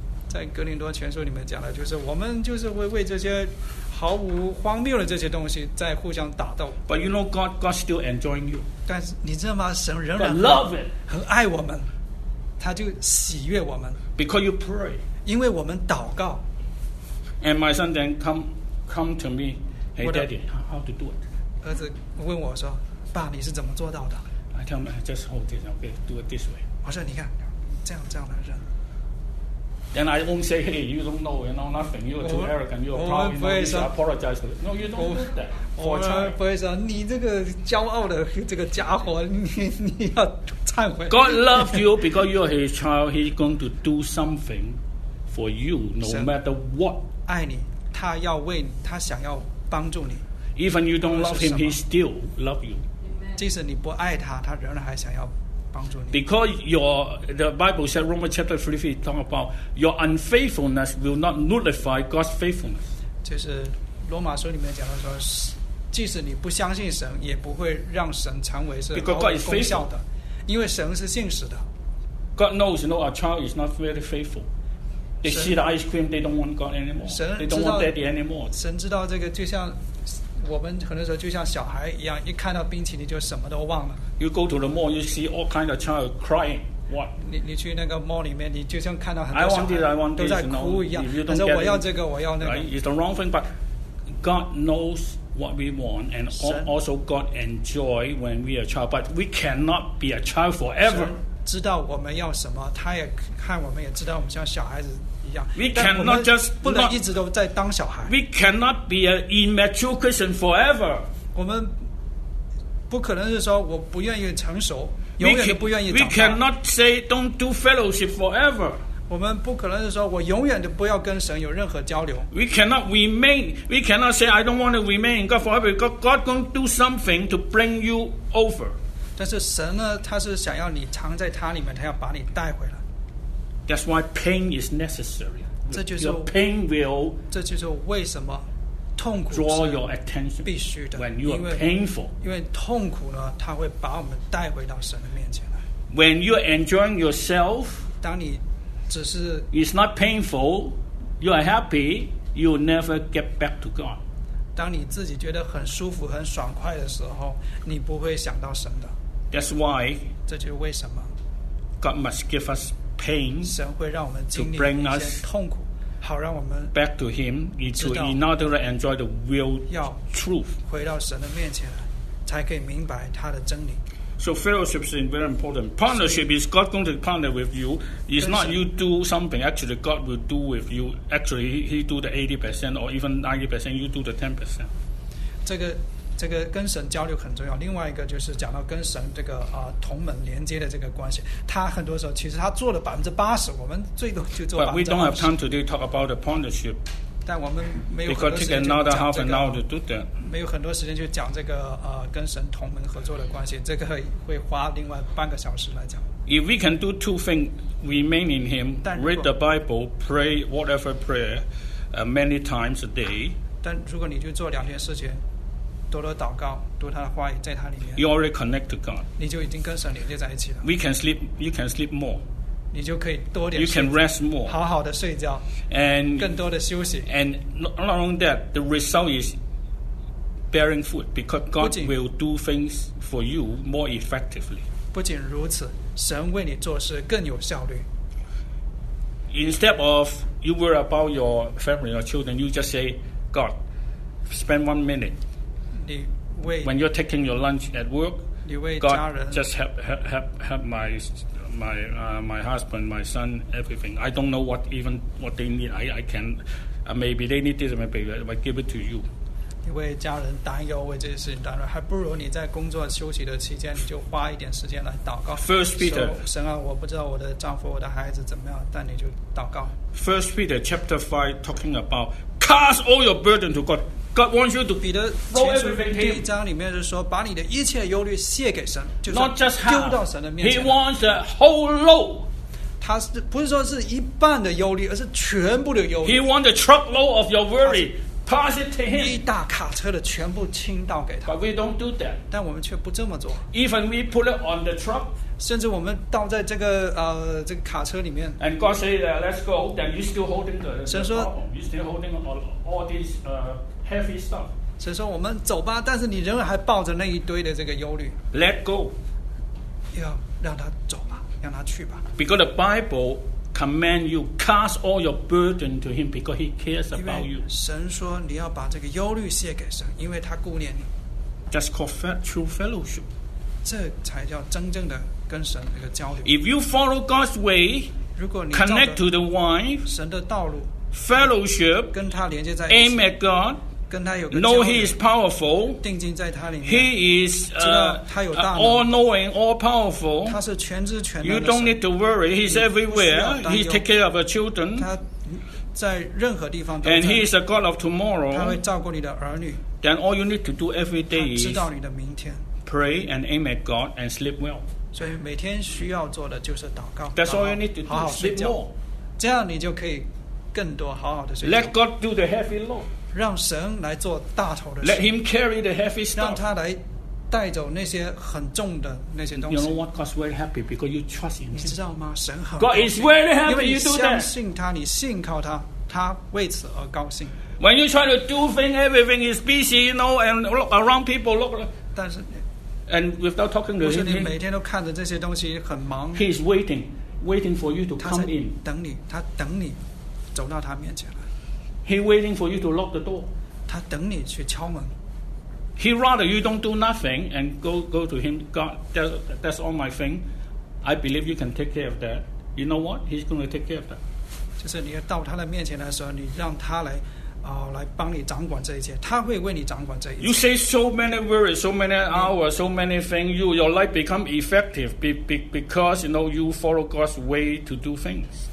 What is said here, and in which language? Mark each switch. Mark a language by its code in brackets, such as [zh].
[zh] 在格林多前书里面讲的，就是我们就是会为这些毫无荒谬的这些东西在互相打斗。 [en] But you know God still enjoying you. [zh] 但是你知道吗？神仍然 [en] love it. [zh] 很爱我们，他就喜悦我们。 [en] Because you pray. [zh] 因为我们祷告。 [en] And my son then come to me, "Hey, daddy, how to do it?" [zh] 儿子问我说，爸，你是怎么做到的？ [en] I tell him, "Just hold this, okay, do it this way." [zh] 我说你看，这样来扔。 [en] Then I won't say, "Hey, you don't know, you know nothing, you're too arrogant, you're proud, you know this, I apologize to you." No, you don't do that. [zh] 我们不会说，你这个骄傲的这个家伙，你要忏悔。 [en] God loves you because you're his child, he's going to do something. For you, no matter what, [zh] 爱你，他要为你，他想要帮助你。 [en] Even you don't love him, he still love you. [zh] 即使你不爱他，他仍然还想要帮助你。 [en] Because the Bible said, Romans chapter 3:3 talk about your unfaithfulness will not nullify God's faithfulness. [zh] 就是罗马书里面讲到说，即使你不相信神，也不会让神成为是毫无功效的。 [en] Because God is faithful. [zh] 因为神是信实的。 [en] God knows, you know, our child is not very faithful. They see the ice cream, they don't want God anymore. They don't want daddy anymore. [zh] 神知道这个，就像我们很多时候就像小孩一样，一看到冰淇淋就什么都忘了。 [en] You go to the mall, you see all kind of child crying. What? [zh] 你去那个 mall 里面，你就像看到很多小孩 [en] I want this, [zh] 都在哭一样。 [en] You know, [zh] 他说我要这个，我要那个。 [en] Right? It's the wrong thing, but God knows what we want, and also God enjoy when we are child. But we cannot be a child forever. [zh] 知道我们要什么，他也看我们也知道我们像小孩子。 [en] We cannot just [zh] 不能一直都在当小孩。 [en] We cannot be an immature Christian forever. [zh] 我们不可能是说我不愿意成熟，永远都不愿意长大。 [en] We cannot say don't do fellowship forever. [zh] 我们不可能是说我永远都不要跟神有任何交流。 [en] We cannot remain. We cannot say I don't want to remain in God forever. God going to do something to bring you over. [zh] 但是神呢，他是想要你藏在他里面，他要把你带回来。 [en] That's why pain is necessary. [zh] 这就是 [en] your pain will [zh] 这就是为什么痛苦 [en] draw your attention [zh] 必须的 [en] when you are painful. [zh] 因为痛苦呢，它会把我们带回到神的面前来。 [en] When you are enjoying yourself, [zh] 当你只是 [en] it's not painful, you are happy, you will never get back to God. [zh] 当你自己觉得很舒服、很爽快的时候，你不会想到神的。 [en] That's why [zh] 这就是为什么 [en] God must give us. Pain [zh] 神会让我们经历一些痛苦，好让我们 [en] back to Him, in order to enjoy the real truth. [zh] 回到神的面前，才可以明白他的真理。 [en] So fellowship is very important. Partnership is God going to partner with you. It's not you do something, actually God will do with you. Actually, he do the 80% or even 90%, you do the 10%. [zh] 这个跟神交流很重要。另外一个就是讲到跟神这个同门连接的这个关系，他很多时候其实他做了80%，我们最多就做 [en] 80%。But we don't have time today talk about the partnership. [zh] 但我们没有很多时间讲这个。 [en] Because take another half an hour to do that. [zh] 没有很多时间去讲这个跟神同门合作的关系，这个会花另外半个小时来讲。 [en] If we can do two things, remain in Him, read the Bible, pray whatever prayer, many times a day. [zh] 但如果你就做两件事情。多多祷告，读他的话语，在他里面。 [en] You already connect to God. [zh] 你就已经跟神连接在一起了。 [en] We can sleep. You can sleep more. [zh] 你就可以多点睡。 [en] You can rest more. [zh] 好好的睡觉。 [en] And [zh] 更多的休息。 [en] And not only that, the result is bearing fruit because God will do things for you more effectively. [zh] 不仅如此，神为你做事更有效率。 [en] Instead of you worry about your family or children, you just say, God, spend 1 minute. When you're taking your lunch at work, God just help my husband, my son, everything. I don't know what they need. I can, maybe they need this, maybe I give it to you. [zh] 你为家人担忧，为这些事情担忧，还不如你在工作休息的期间，你就花一点时间来祷告。 [en] First Peter, [zh] 神啊，我不知道我的丈夫、我的孩子怎么样，但你就祷告。 [en] First Peter chapter 5 talking about cast all your burden to God. God wants you to be the roll everything. [zh] 第一章里面是说，把你的一切忧虑卸给神，就是 [en] not just half, [zh] 丢到神的面前。 [en] He wants the whole load. [zh] 他是不是说是一半的忧虑，而是全部的忧虑。 [en] He wants the truck load of your worry. Pass it to him. [zh] 一大卡车的全部倾倒给他。 [en] But we don't do that. [zh] 但我们却不这么做。 [en] Even we put it on the truck. [zh] 甚至我们倒在这个这个卡车里面。 [en] And God says, "Let's go." Then you still holding the [zh] 神说 [en] the problem. You still holding all this heavy stuff. [zh] 所以说我们走吧，但是你仍然还抱着那一堆的这个忧虑。 [en] Let go. [zh] 要让他走吧，让他去吧。 [en] Because the Bible command you cast all your burden to him because he cares about you. [zh] 神说你要把这个忧虑卸给神，因为他顾念你。 [en] That's called true fellowship. [zh] 这才叫真正的跟神这个交流。 [en] If you follow God's way, [zh] 如果你 [en] connect to the wife, [zh] 神的道路。 [en] Fellowship, [zh] 跟他连接在一起, [en] aim at God, [zh] 跟他有个交流, [en] know He is powerful, [zh] 定睛在他里面, [en] He is all knowing, all powerful, [zh] 他是全知全能, [en] you don't need to worry, He's everywhere, He takes care of your children, [zh] 他在任何地方都在, [en] and He is a God of tomorrow, [zh] 他会照顾你的儿女, [en] then all you need to do every day is [zh] 他知道你的明天, [en] pray and aim at God and sleep well. [zh] 所以每天需要做的就是祷告, [en] that's all you need to do, [zh] 好好睡觉, [en] sleep more. [zh] 这样你就可以更多好好的事情。 [en] Let God do the heavy load. [zh] 让神来做大头的事。 [en] Let Him carry the heavy stuff. [zh] 让他来带走那些很重的那些东西。 [en] You know what? God's very happy because you trust Him. [zh] 你知道吗？神很高兴。 [en] God is very happy. You do that. [zh] 因为你相信他，你信靠他，他为此而高兴。 [en] When you try to do things, everything is busy, you know, and look around people, look. [zh] 但是 [en] ，and without talking to Him, [zh] 不是你每天都看着这些东西很忙。 [en] He is waiting for you to come in. [zh] 等你，他等你。走到他面前了。 [en] He waiting for you to lock the door. [zh] 他等你去敲门。 [en] He rather you don't do nothing and go to him. God, that's all my thing. I believe you can take care of that. You know what? He's going to take care of that. [zh] 就是你要到他的面前的时候，你让他来，来帮你掌管这一切。他会为你掌管这一切。 [en] You say so many worries, so many hours, so many things. Your life become effective because you know you follow God's way to do things.